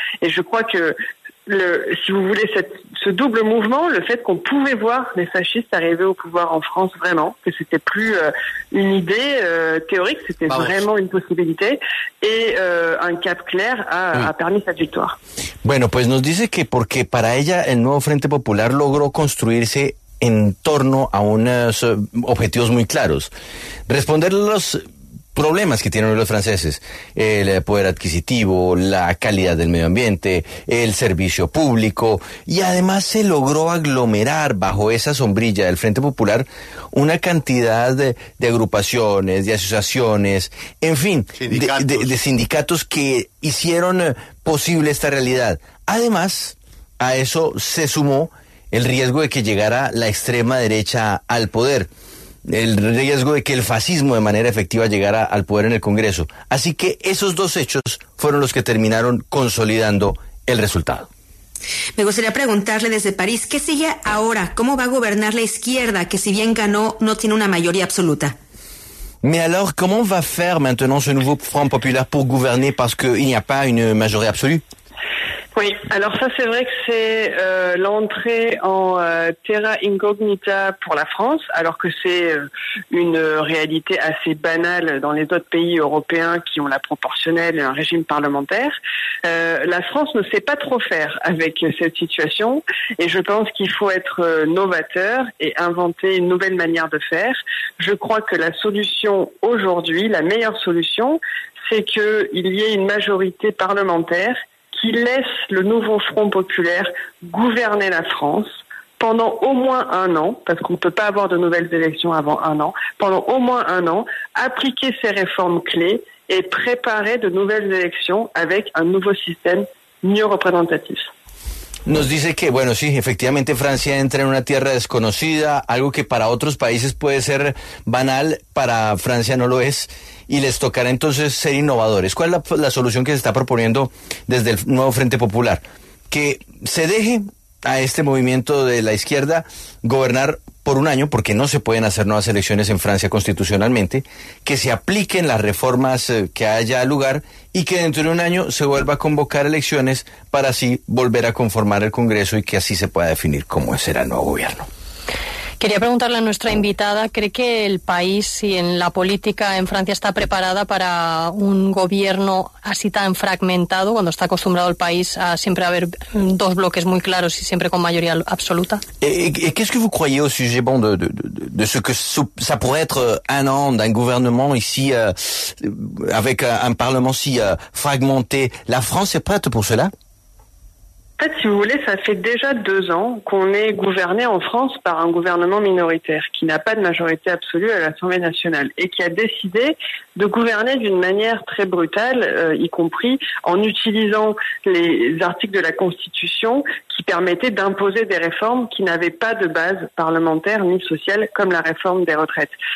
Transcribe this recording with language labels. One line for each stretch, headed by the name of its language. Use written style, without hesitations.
French: Et je crois que ce double mouvement, le fait qu'on pouvait voir les fascistes arriver au pouvoir en France vraiment, que c'était plus une idée théorique, c'était vraiment une possibilité, et un cap clair a permis cette victoire.
Spanish: Bueno, pues nos dice que porque para ella el nuevo Frente Popular logró construirse en torno a unos objetivos muy claros. Responder los problemas que tienen los franceses, el poder adquisitivo, la calidad del medio ambiente, el servicio público, y además se logró aglomerar bajo esa sombrilla del Frente Popular una cantidad de agrupaciones, de asociaciones, en fin, de sindicatos que hicieron posible esta realidad. Además, a eso se sumó el riesgo de que llegara la extrema derecha al poder, el riesgo de que el fascismo de manera efectiva llegara al poder en el Congreso. Así que esos dos hechos fueron los que terminaron consolidando el resultado. Me gustaría preguntarle desde París, ¿qué sigue ahora? ¿Cómo va a gobernar la izquierda que, si bien ganó, no tiene una mayoría absoluta?
French: Mais alors, comment va faire maintenant ce nouveau Front Populaire pour gouverner parce qu'il n'y a pas une majorité absolue? Oui, alors ça c'est vrai que c'est l'entrée en terra incognita pour la France, alors que c'est une réalité assez banale dans les autres pays européens qui ont la proportionnelle et un régime parlementaire. La France ne sait pas trop faire avec cette situation, et je pense qu'il faut être novateur et inventer une nouvelle manière de faire. Je crois que la solution aujourd'hui, la meilleure solution, c'est qu'il y ait une majorité parlementaire qui laisse le nouveau Front populaire gouverner la France pendant au moins un an, parce qu'on ne peut pas avoir de nouvelles élections avant un an, pendant au moins un an, appliquer ses réformes clés et préparer de nouvelles élections avec un nouveau système mieux représentatif.
Spanish: Nos dice que, bueno, sí, efectivamente Francia entra en una tierra desconocida, algo que para otros países puede ser banal, para Francia no lo es, y les tocará entonces ser innovadores. ¿Cuál es la solución que se está proponiendo desde el nuevo Frente Popular? Que se deje a este movimiento de la izquierda gobernar por un año, porque no se pueden hacer nuevas elecciones en Francia constitucionalmente, que se apliquen las reformas que haya lugar y que dentro de un año se vuelva a convocar elecciones para así volver a conformar el Congreso y que así se pueda definir cómo será el nuevo gobierno. Quería preguntarle a nuestra invitada, ¿cree que el país y en la política en Francia está preparada para un gobierno así tan fragmentado, cuando está acostumbrado el país a siempre haber dos bloques muy claros y siempre con mayoría absoluta?
French: ¿Y qué es que vous croyez au sujet bon de ce que ça pourrait être un an d'un gouvernement ici avec un parlement si fragmenté? ¿La France est prête pour cela? En fait, si vous voulez, ça fait déjà 2 ans qu'on est gouverné en France par un gouvernement minoritaire qui n'a pas de majorité absolue à l'Assemblée nationale et qui a décidé de gouverner d'une manière très brutale, y compris en utilisant les articles de la Constitution qui permettaient d'imposer des réformes qui n'avaient pas de base parlementaire ni sociale, comme la réforme des retraites.